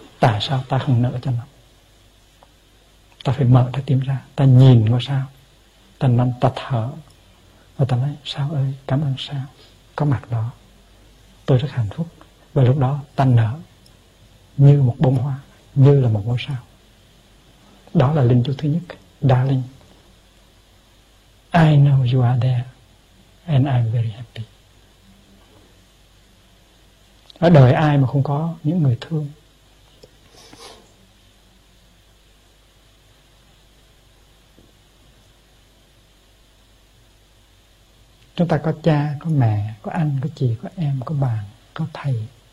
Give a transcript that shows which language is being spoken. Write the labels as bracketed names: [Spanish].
[Vietnamese] Tại sao ta không nở cho nó? Ta phải mở trái tim ra, ta nhìn ngôi sao, ta nằm, ta thở, và ta nói: sao ơi, cảm ơn sao có mặt đó, tôi rất hạnh phúc. Và lúc đó ta nở như một bông hoa, như là một ngôi sao. Đó là linh chú thứ nhất. [English] Darling, I know you are there and I'm very happy. [Vietnamese] Ở đời ai mà không có những người thương? Chúng ta có cha, có mẹ, có anh, có chị, có em, có bạn, có thầy.